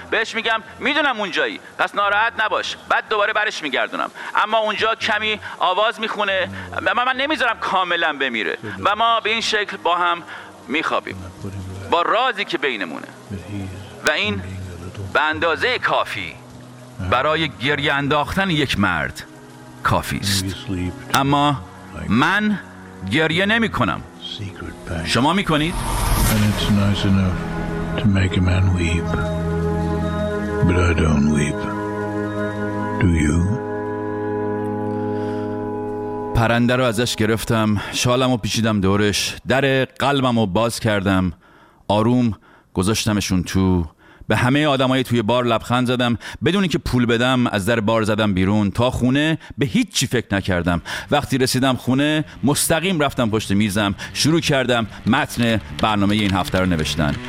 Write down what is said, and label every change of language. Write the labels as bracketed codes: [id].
[fa] بهش میگم میدونم اونجایی، پس ناراحت نباش، بعد دوباره برش میگردونم، اما اونجا کمی آواز میخونه و من نمیذارم کاملا بمیره و ما به این شکل با هم میخوابیم با رازی که بینمونه و این به اندازه کافی برای گریه انداختن یک مرد کافی است. اما من گریه نمی کنم، شما می کنید؟ [en] And it's nice enough to make a man weep, but I don't weep. Do you? [fa] پرنده رو ازش گرفتم، شالمو پیچیدم دورش، در قلبمو باز کردم، آروم گذاشتمشون تو، به همه آدمای توی بار لبخند زدم، بدون اینکه پول بدم از در بار زدم بیرون. تا خونه به هیچ چی فکر نکردم. وقتی رسیدم خونه مستقیم رفتم پشت میزم، شروع کردم متن برنامه این هفته رو نوشتن.